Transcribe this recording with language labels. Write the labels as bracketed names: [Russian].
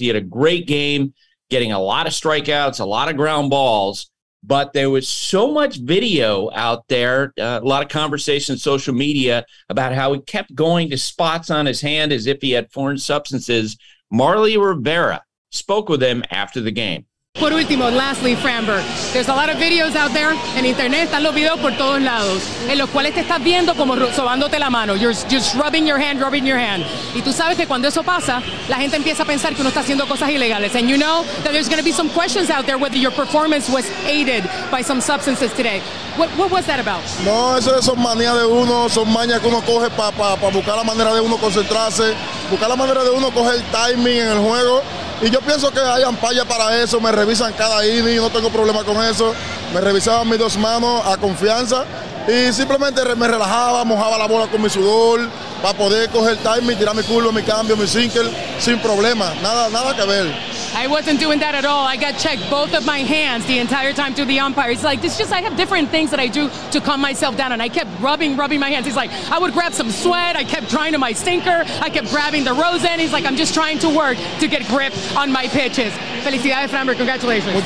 [English] He had a great game, getting a lot of strikeouts, a lot of ground balls. But there was so much video out there, a lot of conversation, social media, about how he kept going to spots on his hand as if he had foreign substances. Marley Rivera spoke with him after the game. [Spanish] Por último, [English] lastly, Framber, there's a lot of videos out there in internet. [Spanish] Están los videos por todos lados, en los cuales te estás viendo como sobándote la mano. [English] You're just rubbing your hand. [Spanish] Y tú sabes que cuando eso pasa, la gente empieza a pensar que uno está haciendo cosas ilegales. [English] And you know that there's going to be some questions out there whether your performance was aided by some substances today. What was that about? [Spanish] No, eso es son manías de uno, son mañas que uno coge para buscar la manera de uno concentrarse, buscar la manera de uno coger el timing en el juego. Y yo pienso que hay ampalla para eso, me revisan cada inning, no tengo problema con eso. Me revisaban mis dos manos a confianza y simplemente me relajaba, mojaba la bola con mi sudor para poder coger el timing, tirar mi curva, mi cambio, mi sinker sin problema, nada que ver. [English] I wasn't doing that at all. I got checked both of my hands the entire time through the umpire. He's like, it's just I have different things that I do to calm myself down. And I kept rubbing my hands. He's like, I would grab some sweat. I kept trying to my stinker. I kept grabbing the Rosen. He's like, I'm just trying to work to get grip on my pitches. [Spanish] Felicidades, [English] Framber. Congratulations.